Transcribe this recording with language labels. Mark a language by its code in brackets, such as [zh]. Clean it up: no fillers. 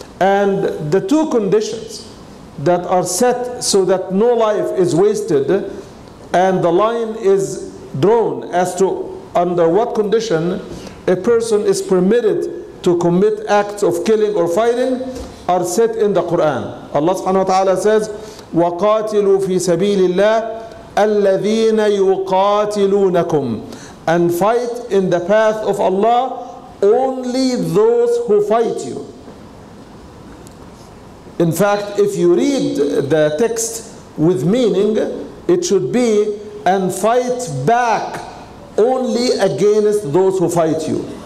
[en] And the two conditions that are set so that no life is wasted and the line is drawn as to under what condition a person is permitted to commit acts of killing or fighting are set in the Quran. Allah subhanahu wa ta'ala says, [ar] وَقَاتِلُوا فِي سَبِيلِ اللَّهِ الَّذِينَ يُقَاتِلُونَكُمْ. [en] And fight in the path of Allah only those who fight you. In fact, if you read the text with meaning, it should be, and fight back only against those who fight you.